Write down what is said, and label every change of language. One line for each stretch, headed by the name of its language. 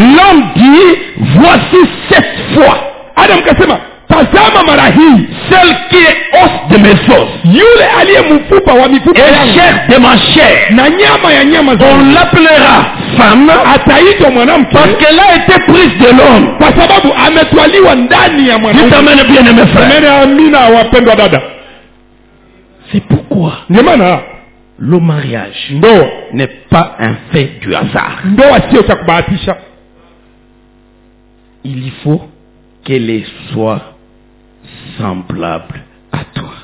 French: l'homme dit voici cette fois.
Swahili: Adam kasema tazama mara hii,
French: celle qui est os de mes os,
Swahili: yule aliye mfupa wa mifupa yangu,
French: et chair de ma chair,
Swahili: na nyama ya nyama zangu.
French: On l'appellera femme,
Swahili: ataitwa mwanamke,
French: parce qu'elle a été prise de l'homme,
Swahili: kwa sababu ametwaliwa ndani ya mwanamke.
French: Dites amen bien aimé frère.
Swahili: Amen, amina wapendwa dada.
French: C'est pourquoi Némana, le mariage
Swahili: Ndoa,
French: n'est pas un fait du hasard.
Swahili: Ndoa, si yo chakubahatisha.
French: Il faut qu'elle soit semblable à toi.